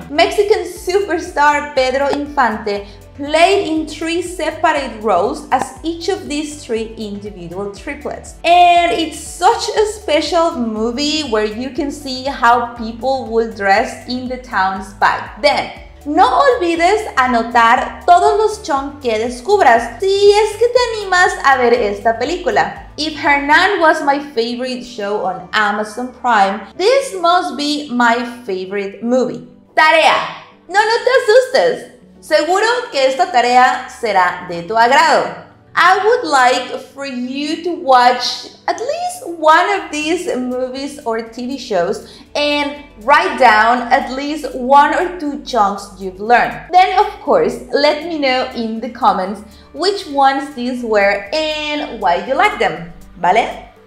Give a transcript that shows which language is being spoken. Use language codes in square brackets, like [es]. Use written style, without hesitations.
[en] Mexican superstar Pedro Infante played in three separate roles as each of these three individual triplets. And it's such a special movie where you can see how people would dress in the towns back then. [es] No olvides anotar todos los chunks que descubras si es que te animas a ver esta película. [en] If Hernán was my favorite show on Amazon Prime, this must be my favorite movie. [es] Tarea. No, no te asustes. Seguro que esta tarea será de tu agrado. [en] I would like for you to watch at least one of these movies or TV shows and write down at least one or two chunks you've learned. Then, of course, let me know in the comments which ones these were and why you like them. ¿Vale?